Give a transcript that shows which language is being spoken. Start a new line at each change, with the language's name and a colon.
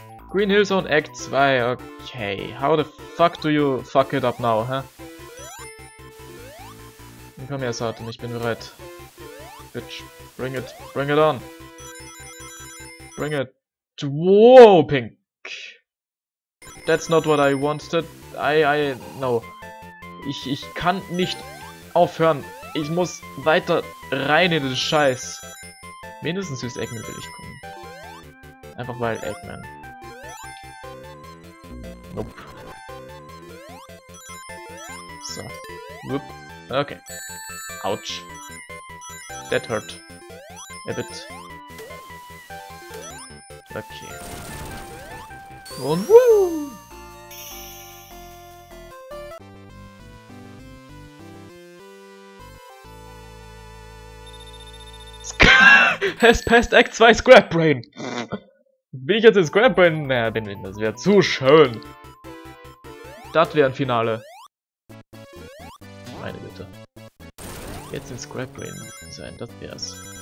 English: Green Hill Zone Act 2, okay. How the fuck do you fuck it up now, huh?
German: Komm her, Satan, ich bin bereit.
English: Bitch, bring it. Bring it on. Bring it. Whoa, Pink. That's not what I wanted. No.
German: Ich kann nicht aufhören. Ich muss weiter rein in den Scheiß. Mindestens süß Eggman will ich kommen. Einfach weil Eggman.
English: Nope. So. Whoop. Okay. Ouch. That hurt. A bit.
German: Okay. Und woo!
English: Has passed Act 2 Scrap Brain!
German: Bin ich jetzt in Scrap Brain? Naja, bin ich. Das wäre zu schön. Das wäre ein Finale. Meine Güte. Jetzt in Scrap Brain sein, das wär's.